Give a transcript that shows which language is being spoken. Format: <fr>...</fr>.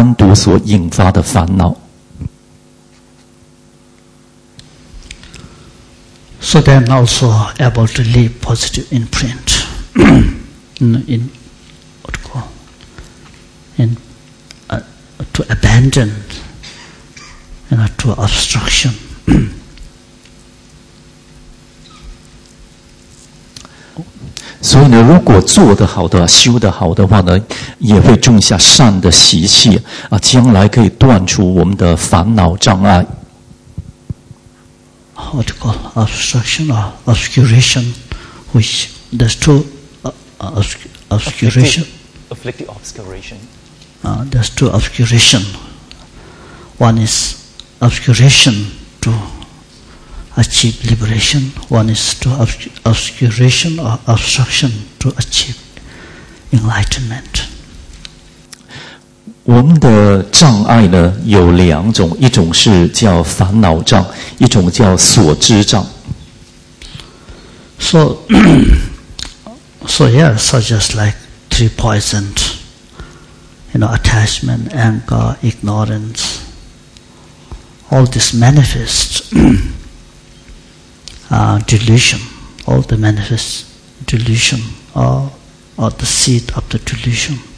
<zh>当然，如果我们的净化业障的修行啊，这个接下来的修法的啊修得好的话，我们就是以四力来对治我们所往昔啊所种下的种种的业障。若做得好的话呢，它就能够对治我们的贪嗔痴三毒的烦恼，就能降服我们由三毒所引发的烦恼。</zh> <en>So then also able to leave positive imprint in what to call in to abandon you know, to obstruction.</en> <zh>So, 如果做得好的、修得好的话呢，也会种下善的习气啊，将来可以断除我们的烦恼障碍。</zh> <en>What you call obstruction or obscuration, which there's two obscuration. Afflictive obscuration. There's two obscuration. One is obscuration to achieve liberation. One is to obscuration or obstruction to achieve enlightenment.</en> <zh>我们的障碍呢有两种，一种是叫烦恼障，一种叫所知障。So,</zh> <en>so yeah, such as like three poisons, you know, attachment, anger, ignorance. All this manifests delusion, all the manifest delusion, or the seed of the delusion.</en>